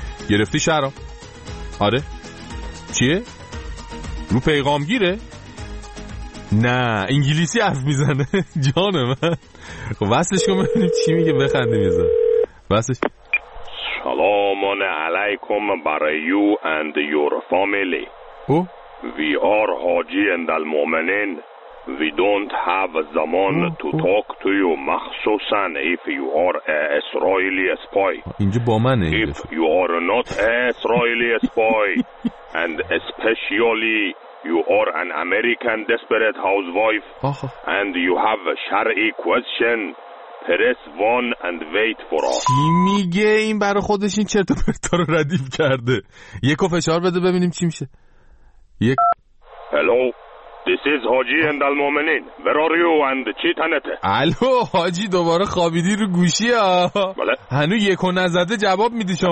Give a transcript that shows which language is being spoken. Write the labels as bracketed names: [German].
[Persian] گرفتی شهرام؟ آره. چیه؟ رو پیغامگیره؟ نه، انگلیسی حرف میزنه. جان من. خب واسش کن ببینیم چی میگه، بخنده میزنه. واسش سلام علیکم برای [English] You and your family. Oh we are حاجی اندالمومنین. We don't have [Persian] زمان [English] to talk to you, [Persian] مخصوصا [English] if you are a Israeli spy. [Persian] اینجا با منه. [English] If you are not a Israeli spy and especially you are an American desperate housewife and you have a شرعی question, press one and wait for us. [Persian] چی میگه این؟ برای خودش این چرت و پرتا رو ردیف کرده. یکو فشار بده ببینیم چی میشه. یک. [English] Hello, this is Haji and Al Momenin. Where are you and [Persian] چی تنته؟ الو حاجی، دوباره خوابیدی رو گوشی ها. بله. هنو یکو نزده جواب میدی شما.